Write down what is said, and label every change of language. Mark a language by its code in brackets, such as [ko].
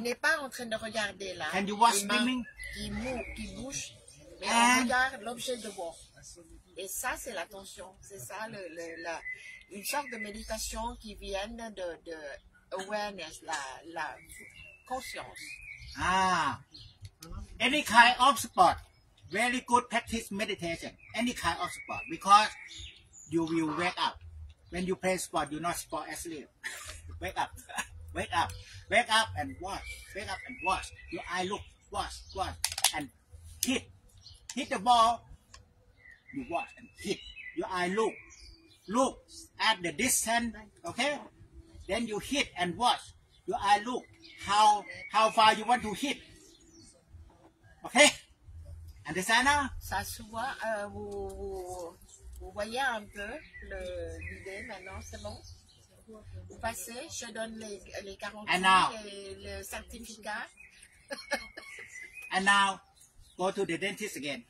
[fr] N'est pas en train de regarder là. [en] Can you watch swimming? [fr] Qui bouge, mais on regarde l'objet de bord. Et ça, c'est l'attention. C'est ça, une sorte de méditation qui vient de awareness, la conscience. [en] Ah, any kind of sport, very good practice meditation. Any kind of sport, because you will wake up. When you play sport, you're not sport asleep. Wake up and watch. Wake up and watch. Your eye look, watch, and hit the ball. You watch and hit. Your eye look at the distance. Okay, then you hit and watch. Your eye look how far you want to hit. Okay, understand? [fr] Ça se voit. Vous voyez un peu l'idée maintenant. C'est bon. Vous passez. Je donne les garanties et le certificat. [en] And now, go to the dentist again.